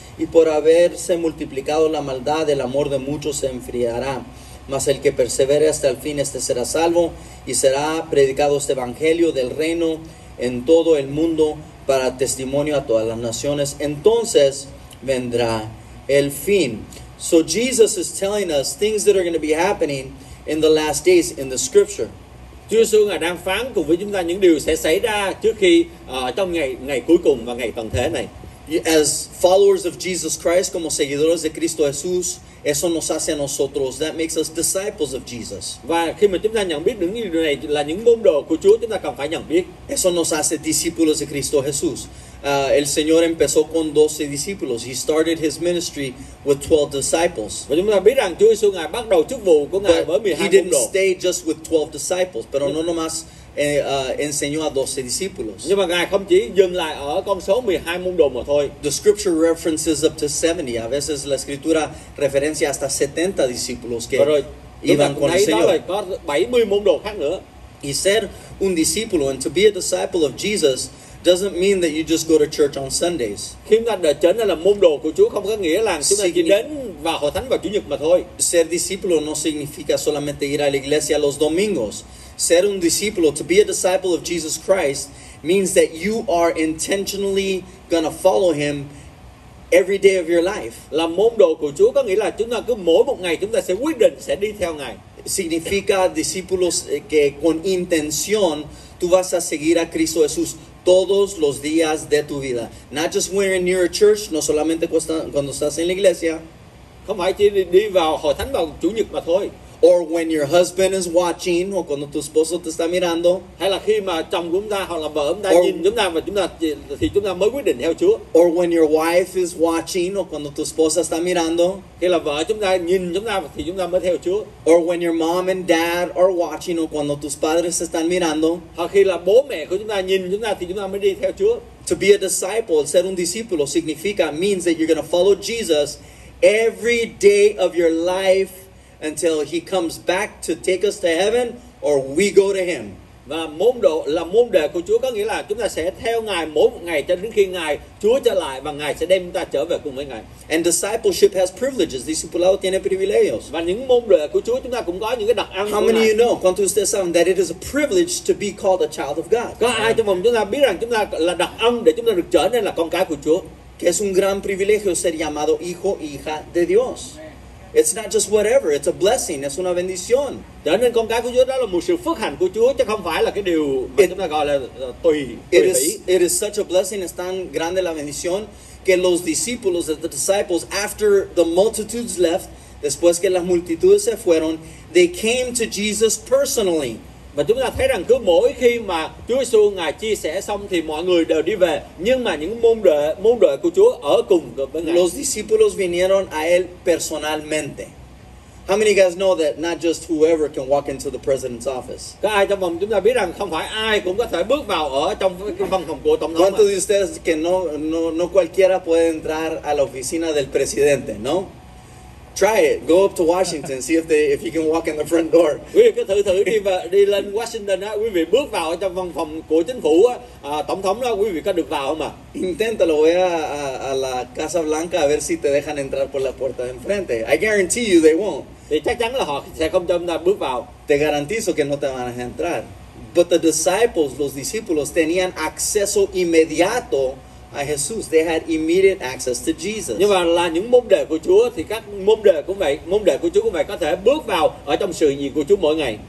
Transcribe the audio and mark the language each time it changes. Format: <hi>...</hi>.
<es>Y por haberse multiplicado la maldad, el amor de muchos se enfriará. Mas el que persevere hasta el fin, este será salvo. Y será predicado este evangelio del reino en todo el mundo para testimonio a todas las naciones. Entonces vendrá el fin.</es> <en>So Jesus is telling us things that are going to be happening in the last days in the scripture.</en> <vi>Chúa Giêsu ngài đang phán cùng với chúng ta những điều sẽ xảy ra trước khi trong ngày cuối cùng và ngày tận thế này.</vi> <en>As followers of Jesus Christ,</en> <es>como seguidores de Cristo Jesús, eso nos hace a nosotros,</es> <en>that makes us disciples of Jesus.</en> <vi>Và khi mà chúng ta nhận biết những điều này là những môn đồ của Chúa, chúng ta cần phải nhận biết.</vi> <es>Eso nos hace discípulos de Cristo Jesús. El Señor empezó con 12 discípulos.</es> <en>He started his ministry with 12 disciples.</en> <vi>Và chúng ta biết rằng Chúa Giêsu ngài bắt đầu chức vụ của ngài với 12 môn đồ.</vi> <en>He didn't stay just with 12 disciples,</en> <es>pero no nomás enseñó a 12 discípulos.</es> <vi>Nhưng mà ngài không chỉ dừng lại ở con số 12 môn đồ mà thôi.</vi> <en>The scripture references up to 70.</en> <es>A veces la escritura referencia hasta 70 discípulos que iban con el Señor.</es> <vi>Có 70 môn đồ khác nữa.</vi> <es>Y ser un discípulo,</es> <en>and to be a disciple of Jesus, doesn't mean that you just go to church on Sundays.</en> <vi>Khi chúng ta đã trở nên là môn đồ của Chúa không có nghĩa là chúng ta chỉ đến vào hội thánh vào Chủ nhật mà thôi.</vi> <es>Ser discípulo no significa solamente ir a la iglesia los domingos. Ser un discípulo,</es> <en>to be a disciple of Jesus Christ, means that you are intentionally gonna follow him every day of your life.</en> <vi>Là môn đồ của Chúa có nghĩa là chúng ta cứ mỗi một ngày chúng ta sẽ quyết định sẽ đi theo ngài.</vi> <es>Significa discípulos que con intención tú vas a seguir a Cristo Jesús todos los días de tu vida.</es> <en>Not just when you're near a church,</en> <es>no solamente cuando estás en la iglesia.</es> <vi>Không phải chỉ đi vào hội thánh vào Chủ nhật mà thôi.</vi> <en>Or when your husband is watching,</en> <es>o cuando tu esposo te está mirando.</es> <vi>Hay là khi mà chồng chúng ta hoặc là vợ chúng ta nhìn chúng ta và chúng ta mới quyết định theo Chúa.</vi> <en>Or when your wife is watching,</en> <es>o cuando tu esposa está mirando.</es> <vi>Hay là vợ chúng ta nhìn chúng ta thì chúng ta mới theo Chúa.</vi> <en>Or when your mom and dad are watching,</en> <es>o cuando tus padres están mirando.</es> <vi>Hoặc khi là bố mẹ của chúng ta nhìn chúng ta thì chúng ta mới đi theo Chúa.</vi> <en>To be a disciple,</en> <es>ser un discípulo significa,</es> <en>means that you're going to follow Jesus every day of your life, until he comes back to take us to heaven or we go to him.</en> <vi>Và môn đồ là môn đệ của Chúa có nghĩa là chúng ta sẽ theo ngài mỗi một ngày cho đến khi ngài Chúa trở lại và ngài sẽ đem chúng ta trở về cùng với ngài.</vi> <en>And discipleship has privileges.</en> <es>Discipulado tiene privilegios.</es> <vi>Và những môn đệ của Chúa chúng ta cũng có những cái đặc ân.</vi> <en>How many of you know,</en> <es>quantos ustedes saben</es> <en>that it is a privilege to be called a child of God?</en> <vi>Có ai trong vòng chúng ta biết rằng chúng ta là đặc ân để chúng ta được trở nên là con cái của Chúa?</vi> <es>Que es un gran privilegio ser llamado hijo hija de Dios.</es> <en>It's not just whatever, it's a blessing, it's</en> <es>una bendición.</es> <vi>Trở nên con cái của Chúa đó là một sự phước hạnh của Chúa chứ không phải là cái điều mà chúng ta gọi là tùy.</vi> <en>It is such a blessing,</en> <es>es tan grande la bendición que los discípulos,</es> <en>the disciples, after the multitudes left,</en> <es>después que las multitudes se fueron,</es> <en>they came to Jesus personally.</en> <vi>Và chúng ta thấy rằng cứ mỗi khi mà Chúa Giêsu ngài chia sẻ xong thì mọi người đều đi về, nhưng mà những môn đệ của Chúa ở cùng với ngài.</vi> <es>Los discípulos vinieron a él personalmente.</es> <en>How many of you guys know that not just whoever can walk into the president's office?</en> <vi>Có ai trong vòng chúng ta biết rằng không phải ai cũng có thể bước vào ở trong cái văn phòng của tổng thống?</vi> <es>¿Cuántos de ustedes que no cualquiera puede entrar a la oficina del presidente, no?</es> <en>Try it. Go up to Washington, see if they if you can walk in the front door.</en> <vi>Quý vị cứ thử thử đi và đi lên Washington á, quý vị bước vào trong văn phòng của chính phủ á, tổng thống đó quý vị có được vào không ạ?</vi> <es>Inténtalo, voy a la Casa Blanca a ver si te dejan entrar por la puerta de enfrente.</es> <en>I guarantee you they won't.</en> <vi>Thì chắc chắn là họ sẽ không cho chúng ta bước vào.</vi> <es>Te garantizo que no te van a entrar.</es> <en>But the disciples,</en> <es>los discípulos tenían acceso inmediato a Jesus.</es> <en>They had immediate access to Jesus.</en> <vi>Nhưng mà là những môn đệ của Chúa thì các môn đệ của Chúa cũng vậy có thể bước vào ở trong sự hiện diện của Chúa mỗi ngày.</vi>